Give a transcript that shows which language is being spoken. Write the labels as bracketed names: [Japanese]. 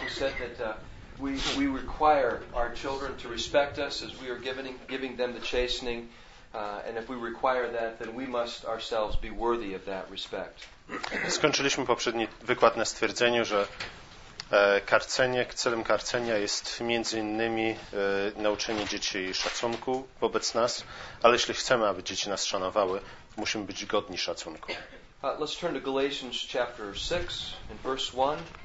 [English] He said that we require our children to respect us as we are giving them the chastening. And if we require that, then we must ourselves be worthy of that respect. [Polish] Skończyliśmy poprzedni wykład na stwierdzeniu, że karcenie, celem karcenia jest między innymi nauczenie dzieci szacunku wobec nas, ale jeśli chcemy, aby dzieci nas szanowały, musimy być godni szacunku. [English] Let's turn to Galatians chapter 6 and verse 1.